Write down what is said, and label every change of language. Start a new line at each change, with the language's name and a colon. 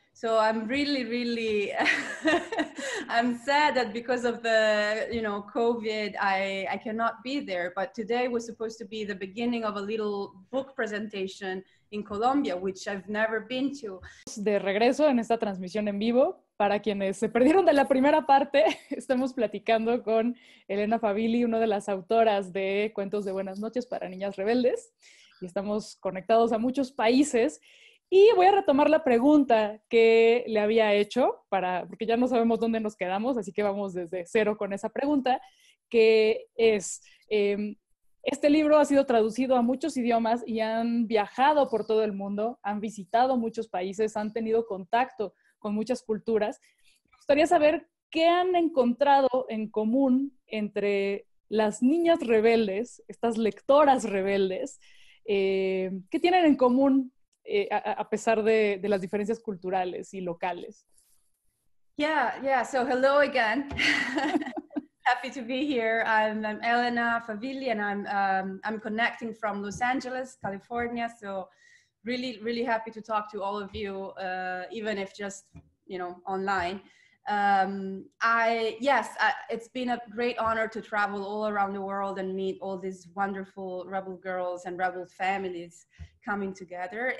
English: So I'm really, really I'm sad that because of the, COVID, I cannot be there. But today was supposed to be the beginning of a little book presentation in Colombia, which I've never been to.
Spanish: De regreso en esta transmisión en vivo. Para quienes se perdieron de la primera parte, estamos platicando con Elena Favilli, una de las autoras de Cuentos de Buenas Noches para Niñas Rebeldes, y estamos conectados a muchos países. Y voy a retomar la pregunta que le había hecho, porque ya no sabemos dónde nos quedamos, así que vamos desde cero con esa pregunta, que es, este libro ha sido traducido a muchos idiomas y han viajado por todo el mundo, han visitado muchos países, han tenido contacto con muchas culturas. Me gustaría saber qué han encontrado en común entre las niñas rebeldes, estas lectoras rebeldes, qué tienen en común a pesar de las diferencias culturales y locales.
English: Yeah. So hello again. Happy to be here. I'm Elena Favilli, and I'm connecting from Los Angeles, California. So really, really happy to talk to all of you, even if just, online. It's been a great honor to travel all around the world and meet all these wonderful Rebel girls and Rebel families coming together.